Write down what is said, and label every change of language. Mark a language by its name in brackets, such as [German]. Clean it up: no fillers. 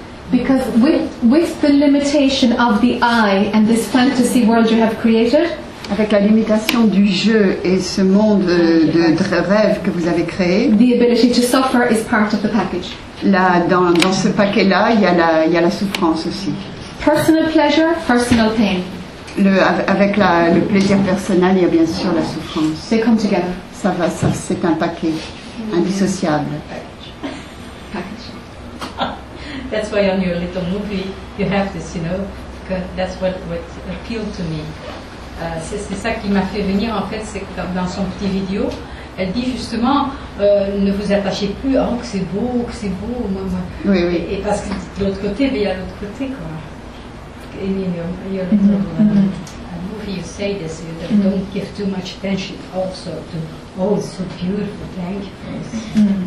[English] Because with the limitation of the I and this fantasy world you have created, [French] avec la limitation du je et ce monde de rêve que vous avez créé, [English] the ability to suffer is part of the package. [French] Là, dans ce paquet-là, il y a la souffrance aussi. [English] Personal pleasure, personal pain. [French] Avec le plaisir personnel, il y a bien sûr la souffrance. [English] They come together. [French] Ça va, ça c'est un paquet indissociable. [English] That's why on your little movie you have this, you know, because that's what appealed to me. [French] C'est ça qui m'a fait venir, en fait, c'est que dans son petit vidéo, elle dit justement, ne vous attachez plus, oh, que c'est beau, maman. Oui, oui. Et parce que de l'autre côté, il y a l'autre côté, quoi. [English] And your little movie, you say this, you don't give too much attention also to, oh, it's so beautiful, thank you.